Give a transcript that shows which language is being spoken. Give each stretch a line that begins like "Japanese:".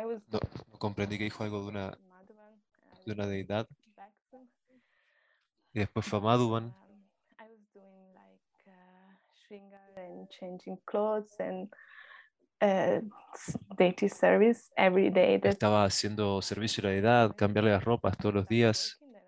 Spanish: No comprendí que dijo algo de una deidad. Y después fue a Madhuban.
English: I was doing like Shringar and changing clothes and deity service every day.
Spanish: Estaba haciendo servicio a la deidad, cambiarle las ropas todos los días.